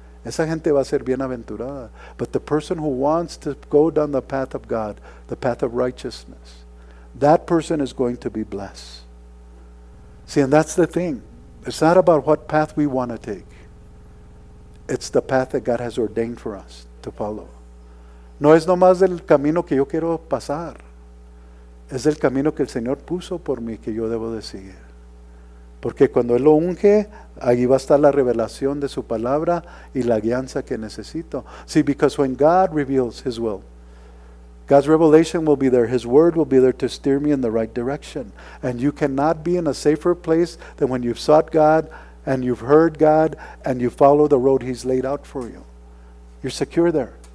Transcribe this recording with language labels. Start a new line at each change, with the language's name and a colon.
Spanish: Esa gente va a ser bienaventurada.
English: But the person who wants to go down the path of God, the path of righteousness, that person is going to be blessed. See, and that's the thing. It's not about what path we want to take. It's the path that God has ordained for us to follow.
Spanish: No es nomás el camino que yo quiero pasar. Es el camino que el Señor puso por mí que yo debo de seguir. Porque cuando Él lo unge, ahí va a estar la revelación de su palabra y la guianza que necesito.
English: See, because when God reveals His will, God's revelation will be there. His word will be there to steer me in the right direction. And you cannot be in a safer place than when you've sought God and you've heard God and you follow the road He's laid out for you. You're secure there.